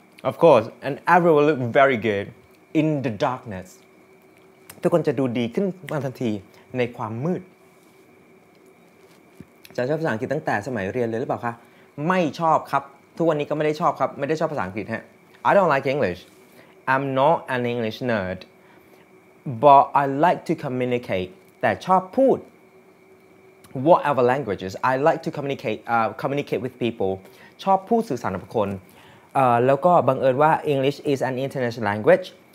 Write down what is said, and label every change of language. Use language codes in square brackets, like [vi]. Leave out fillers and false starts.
[en] Of course, and everyone will look very good in the darkness. [th] ทุกคนจะดูดีขึ้นมาทันทีในความมืดจะชอบภาษาอังกฤษตั้งแต่สมัยเรียนเลยหรือเปล่าคะไม่ชอบครับทุกวันนี้ก็ไม่ได้ชอบครับไม่ได้ชอบภาษาอังกฤษฮะ [en] I don't like English. I'm not an English nerd. But I like to communicate. [th] แต่ชอบพูด [en] Whatever languages, I like to communicate with people. [th] ชอบพูดสื่อสารกับคนแล้วก็บังเอิญว่า [en] English is an international language.